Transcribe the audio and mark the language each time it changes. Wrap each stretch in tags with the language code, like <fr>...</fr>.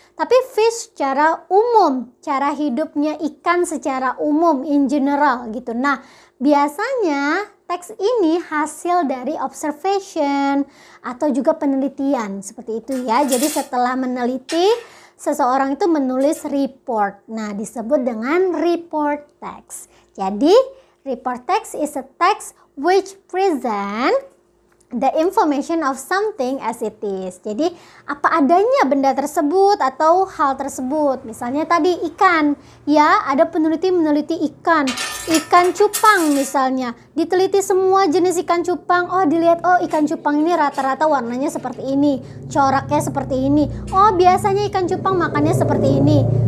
<id>Tapi fish secara umum, cara hidupnya ikan secara umum,</id> <en>in general,</en> <id>gitu. Nah, biasanya teks ini hasil dari observation atau juga penelitian, seperti itu ya. Jadi setelah meneliti, seseorang itu menulis report. Nah, disebut dengan report text.</id> <en>Jadi report text is a text which present the information of something as it is.</en> <id>Jadi, apa adanya benda tersebut atau hal tersebut. Misalnya tadi ikan. Ya, ada peneliti meneliti ikan. Ikan cupang misalnya. Diteliti semua jenis ikan cupang. Oh, dilihat, oh ikan cupang ini rata-rata warnanya seperti ini. Coraknya seperti ini. Oh, biasanya ikan cupang makannya seperti ini.</id>